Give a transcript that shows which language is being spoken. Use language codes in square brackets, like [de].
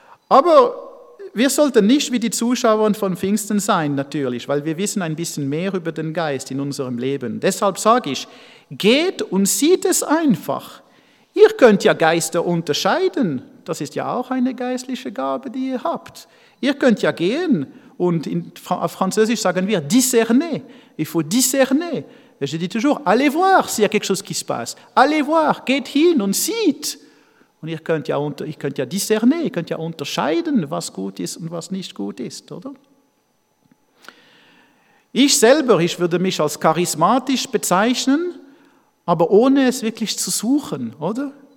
[de] Aber wir sollten nicht wie die Zuschauer von Pfingsten sein, natürlich, weil wir wissen ein bisschen mehr über den Geist in unserem Leben. Deshalb sage ich, geht und sieht es einfach. Ihr könnt ja Geister unterscheiden. Das ist ja auch eine geistliche Gabe, die ihr habt. Ihr könnt ja gehen und auf Französisch sagen wir discerner. [fr] Il faut discerner. Je dis toujours, allez voir, s'il y a quelque chose qui se passe. Allez voir, [de] geht hin und sieht. Und ihr könnt ja discerner, ihr könnt ja unterscheiden, was gut ist und was nicht gut ist, oder? Ich würde mich als charismatisch bezeichnen, aber ohne es wirklich zu suchen, oder?